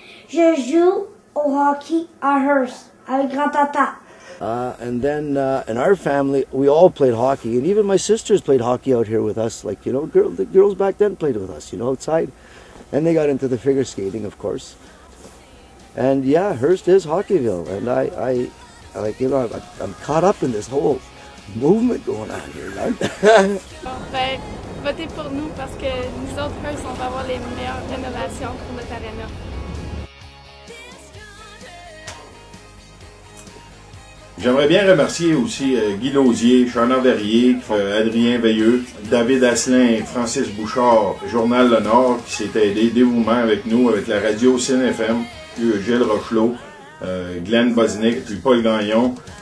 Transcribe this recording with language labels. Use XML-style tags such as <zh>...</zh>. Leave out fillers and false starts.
<fr>Je joue au hockey à Hearst avec grand tata.</fr> <en>In our family, we all played hockey, and even my sisters played hockey out here with us. Like, you know, the girls back then played with us, you know, outside. And they got into the figure skating, of course. And yeah, Hearst is Hockeyville. And I'm caught up in this whole movement going on here, right?</en> <fr>Votez pour nous parce que nous autres, Hearst, on va avoir les meilleures rénovations pour notre arena. J'aimerais bien remercier aussi Guy Lauzier, Chana Verrier, Adrien Veilleux, David Asselin, Francis Bouchard, Journal Le Nord, qui s'est aidé dévouement avec nous, avec la radio CNFM, Gilles Rochelot, Glenn Bosnick, puis Paul Gagnon.</fr>